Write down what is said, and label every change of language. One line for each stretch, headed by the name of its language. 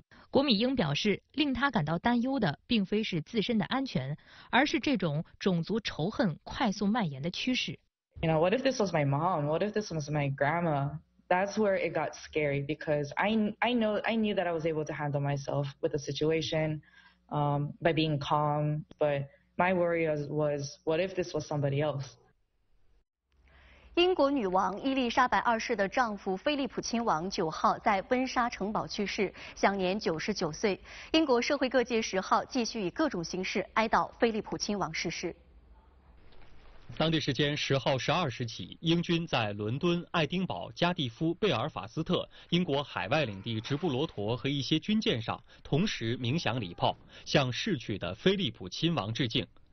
Chinese: 郭米英表示，令他感到担忧的并非是自身的安全，而是这种种族仇恨快速蔓延的趋势。
English: You know, what if this was my mom? What if this was my grandma? That's where it got scary because I knew that I was able to handle myself with the situation, by being calm. But my worry was what if this was somebody else?
Chinese: 英国女王伊丽莎白二世的丈夫菲利普亲王九号在温莎城堡去世，享年99岁。英国社会各界十号继续以各种形式哀悼菲利普亲王逝世。当地时间10号12时起，英军在伦敦、爱丁堡、加蒂夫、贝尔法斯特、英国海外领地直布罗陀和一些军舰上同时鸣响礼炮，向逝去的菲利普亲王致敬。